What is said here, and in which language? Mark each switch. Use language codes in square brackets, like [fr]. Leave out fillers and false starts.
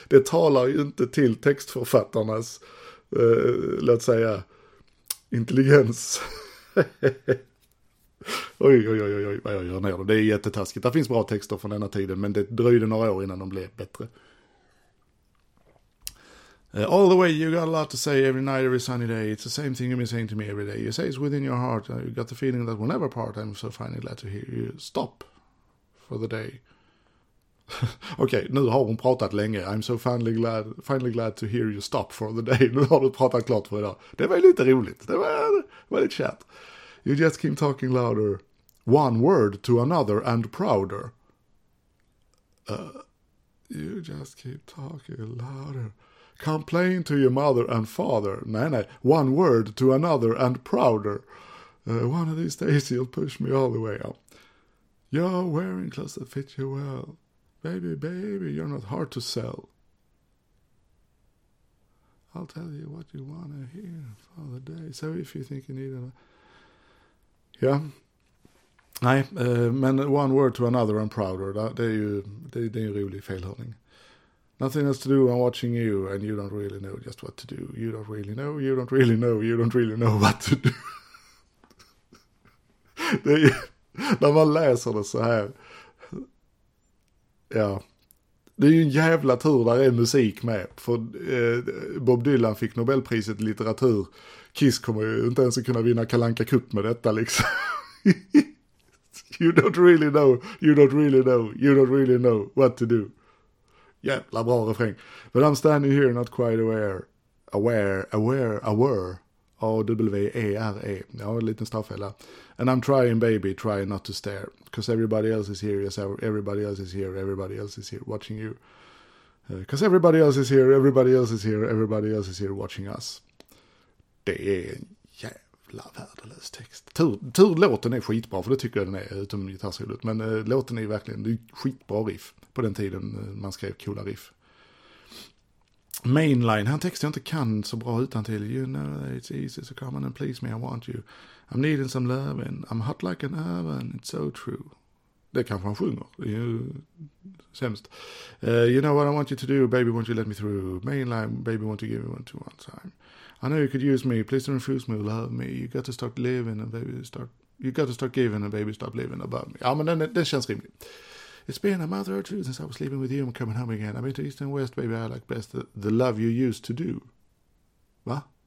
[sv] Det talar ju inte till textförfattarnas låt säga intelligens. oj, vad jag gör ner dem. Det är jättetaskigt. Det finns bra texter från denna tiden men det dröjde några år innan de blev bättre. [en] All the way, you got a lot to say every night, every sunny day. It's the same thing you've been saying to me every day. You say it's within your heart. You got the feeling that we'll never part. I'm so finally glad to hear you stop for the day. [sv] Okej, nu har hon pratat länge. [en] I'm so finally glad to hear you stop for the day. [sv] Nu har du pratat klart för idag. Det var lite roligt. Det var väldigt chatt. [en] You just keep talking louder. One word to another and prouder. You just keep talking louder. Complain to your mother and father. [sv] Nej, nej. [en] One word to another and prouder. One of these days you'll push me all the way up. You're wearing clothes that fit you well. Baby, baby, you're not hard to sell. I'll tell you what you want to hear for the day. So if you think you need a... Yeah. [sv] Nej, men [en] one word to another and prouder. [sv] Det är en rolig felhörning. [en] Nothing else to do, I'm watching you and you don't really know just what to do. You don't really know, you don't really know, you don't really know what to do. [sv] Det är ju, när man läser det så här. Ja. Det är ju en jävla tur där är musik med. För Bob Dylan fick Nobelpriset i litteratur. Kiss kommer ju inte ens kunna vinna Kalanka Cup med detta liksom. [en] You don't really know, you don't really know, you don't really know what to do. [sv] Jävla bra refräng. [en] But I'm standing here not quite aware. A-W-E-R-E. [sv] Ja, en liten stavfälla. [en] And I'm trying, baby, trying not to stare. Because everybody else is here, yes, everybody else is here, everybody else is here watching you. Because everybody else is here, everybody else is here, everybody else is here watching us. [sv] Det är en jävla värdelös text. Tur låten är skitbra, för det tycker jag den är, utom gitarrsolot. Men låten är verkligen en skitbra riff på den tiden man skrev coola riff. Mainline, här texten jag inte kan så bra utan till. [en] You know it's easy, so come on and please me, I want you. I'm needing some loving, I'm hot like an oven, it's so true. [sv] Det kanske han sjunger, det är ju sämst. [en] You know what I want you to do, baby, won't you let me through? Mainline, baby, won't you give me one to one time? I know you could use me, please don't refuse me, love me. You got to start living and baby start... You got to start giving and baby stop living above me. [sv] Ja, men den känns rimlig. [en] It's been a month or two since I was sleeping with you and coming home again. I've been to East and West, baby, I like best the love you used to do. Va?